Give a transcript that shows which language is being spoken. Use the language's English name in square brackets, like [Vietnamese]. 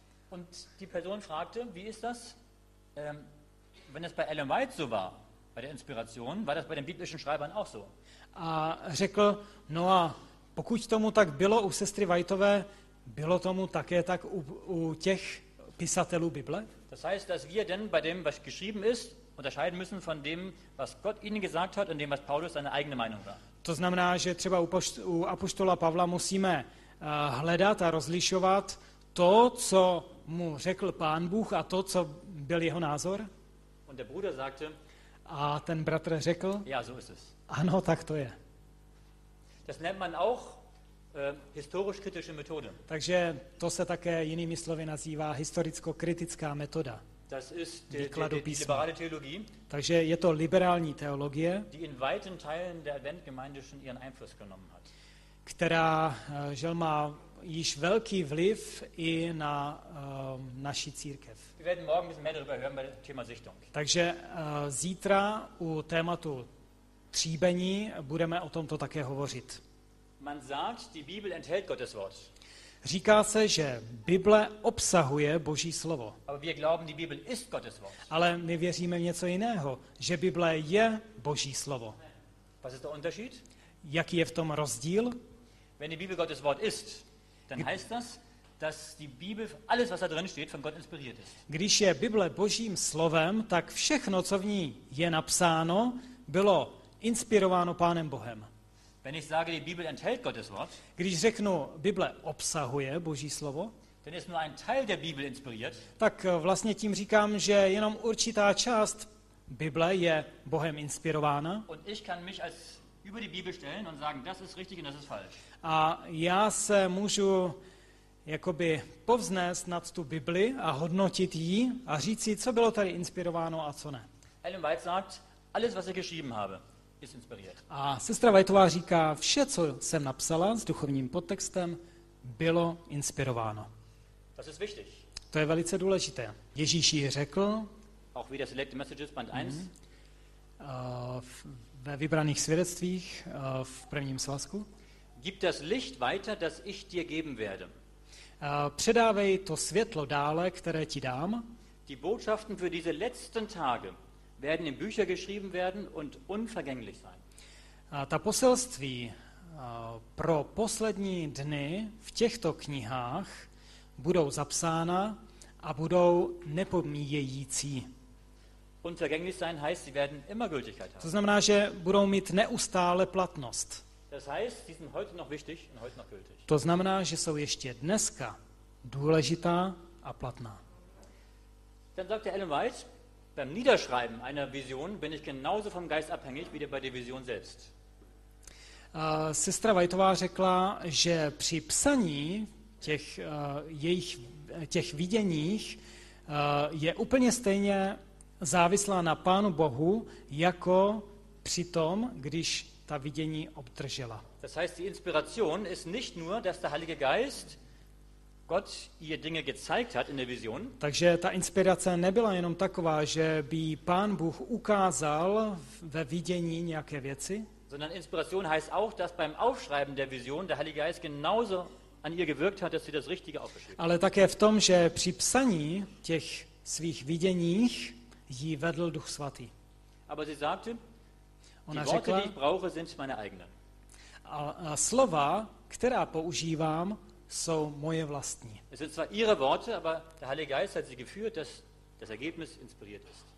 [German] Und die Person fragte, wie ist das, wenn es bei Ellen White so war? Bei der Inspiration war das bei den biblischen Schreibern auch so. [Czech] A řekl, no a pokud tomu tak bylo u sestry Whiteové, bylo tomu také tak u těch pisatelů Bible? [German] Das heißt, dass wir denn bei dem, was geschrieben ist, unterscheiden müssen von dem, was Gott ihnen gesagt hat und dem, was Paulus seine eigene Meinung war. [Czech] To znamená, že třeba u apoštola Pavla musíme hledat a rozlišovat to, co mu řekl Pán Bůh a to, co byl jeho názor? [German] Und der Bruder sagte, [Czech] a ten bratr řekl, [German] ja, so ist es. [Czech] Ano, tak to je. [German] Das nennt man auch historisch-kritische Methode. [Czech] Takže to se také jinými slovy nazývá historicko-kritická metoda. [German] Das ist [Czech] výkladu písma. [German] Die liberale Theologie, [Czech] takže je to liberální teologie, [German] die in weiten Teilen der Adventgemeinde schon ihren Einfluss genommen hat. [Czech] Která žel má již velký vliv i na naši církev. [German] Wir werden morgen ein bisschen mehr darüber hören bei Thema Sichtung. [Czech] Takže zítra u tématu tříbení budeme o tomto také hovořit. [German] Man sagt, die Bibel enthält Gottes Wort. [Czech] Říká se, že Bible obsahuje Boží slovo. [German] Aber wir glauben, die Bibel ist Gottes Wort. [Czech] Ale my věříme v něco jiného, že Bible je Boží slovo. [German] Was ist der Unterschied? [Czech] Jaký je v tom rozdíl? [German] Wenn die Bibel Gottes Wort ist, dann heißt das, dass die Bibel alles, was da drin steht, von Gott inspiriert ist. [Czech] Když je Bible Božím slovem, tak všechno, co v ní je napsáno, bylo inspirováno Pánem Bohem. [German] Wenn ich sage, die Bibel enthält Gottes Wort, [Czech] když řeknu, Bible obsahuje Boží slovo, [German] dann ist nur ein Teil der Bibel inspiriert, [Czech] tak vlastně tím říkám, že jenom určitá část Bible je Bohem inspirována. [German] Und ich kann mich als über die Bibel stellen und sagen, das ist richtig und das ist falsch. [Czech] A já se můžu jakoby povznést nad tu Bibli a hodnotit ji a říct si, co bylo tady inspirováno a co ne. [German] Ellen White sagt, alles, was ich geschrieben habe, ist inspiriert. [Czech] A sestra Whiteová říká, vše, co jsem napsala s duchovním podtextem, bylo inspirováno. [German] Das ist wichtig. [Czech] To je velice důležité. [German] Ježíš ji řekl, auch wie der Select Messages, Band 1, [Czech] ve vybraných svědectvích v prvním svazku. [German] Gib das Licht weiter, das ich dir geben werde. [Czech] Předávej to světlo dále, které ti dám. [German] Die Botschaften für diese letzten Tage werden in Bücher geschrieben werden und unvergänglich sein. [Czech] Ta poselství pro poslední dny v těchto knihách budou zapsána a budou nepomíjející. [German] Unvergänglich sein heißt, sie werden immer Gültigkeit haben. [Czech] To znamená, že budou mít neustále platnost. [German] Das heißt, sie sind heute noch wichtig und heute noch gültig. [Czech] To znamená, že jsou ještě dneska důležitá a platná. [German] Dann sagt der Ellen White, beim Niederschreiben einer Vision bin ich genauso vom Geist abhängig wie bei der Vision selbst. [Czech] Sestra Whiteová řekla, že při psaní těch jejich těch viděních je úplně stejně závislá na Pánu Bohu, jako při tom, když ta vidění obdržela. [German] Das heißt, die Inspiration ist nicht nur, dass der Heilige Geist Gott ihr Dinge gezeigt hat in der Vision. [Czech] Takže ta inspirace nebyla jenom taková, že by Pán Bůh ukázal ve vidění nějaké věci. [German] Sondern Inspiration heißt auch, dass beim Aufschreiben der Vision der Heilige Geist genauso an ihr gewirkt hat, dass sie das Richtige aufgeschrieben. [Czech] Ale také v tom, že při psaní těch svých viděních jí vedl Duch Svatý. [German] Aber sie sagte, [Czech] ona [German] die Worte, [Czech] řekla, [German] die ich brauche, sind meine eigenen. [Czech] A slova, která používám, jsou moje vlastní. [German] Es sind zwar ihre Worte, aber der Heilige Geist hat sie geführt, dass das Ergebnis inspiriert ist.